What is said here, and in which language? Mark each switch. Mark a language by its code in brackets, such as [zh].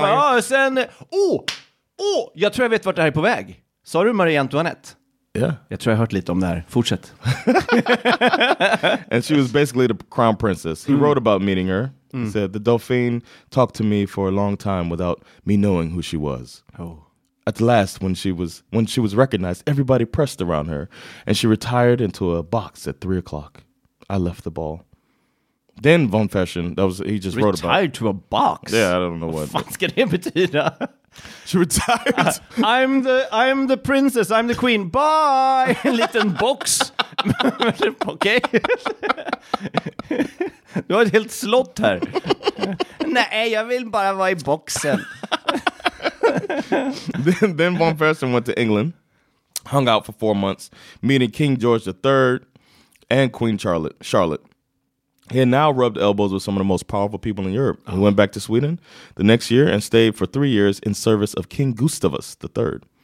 [sv] Ja, sen, jag tror jag vet vart det här är på väg. Sa du Marie Antoinette? [en] Yeah. [sv] Jag tror jag hört lite om det här. Fortsätt. [en] And she was basically the crown princess. He wrote about meeting her. He said, the Dauphine talked to me for a long time without me knowing who she was. Oh. At last, when she was recognized, everybody pressed around her, and she retired into a box at 3:00. I left the ball. Then Von Fersen, he just wrote about retired to a box. Yeah, I don't know what. What's going to happen? She retired. I'm the princess. I'm the queen. Bye. Little box. Okay. [sv] Du har ett helt slott här. Nej, jag vill bara vara i boxen. [en] Then Von Fersen went to England, hung out for 4 months, meeting King George III and Queen Charlotte. He had now rubbed elbows with some of the most powerful people in Europe. He went back to Sweden the next year and stayed for 3 years in service of King Gustavus III.